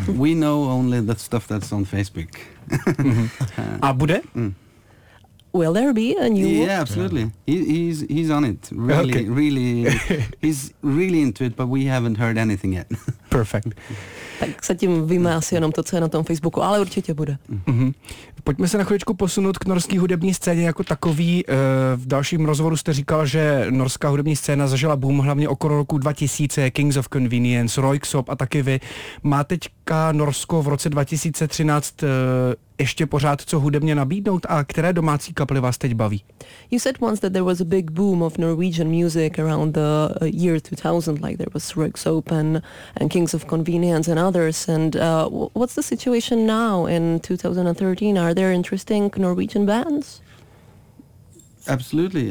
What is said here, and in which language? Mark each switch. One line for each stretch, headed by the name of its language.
English: We know only the stuff that's on Facebook.
Czech: A bude?
English: Will there be a new? Yeah, absolutely. Yeah. He's on it. Really, okay. Really, he's really into it, but we haven't heard anything yet. Perfect.
Czech: Tak zatím víme asi jenom to, co je na tom Facebooku, ale určitě bude. Mm-hmm. Pojďme se na chvíličku posunout k norské hudební scéně jako takový. V dalším rozhovoru jste říkal, že norská hudební scéna zažila boom hlavně okolo roku 2000, Kings of Convenience, Royksopp a taky vy. Má teďka Norsko v roce 2013 ještě pořád co hudebně nabídnout a které domácí kapely vás teď baví?
English: You said once that there was a big boom of Norwegian music around the year 2000, like there was Royksopp and Kings of Convenience and others. And what's the situation now in 2013? Are there interesting Norwegian bands? Absolutely.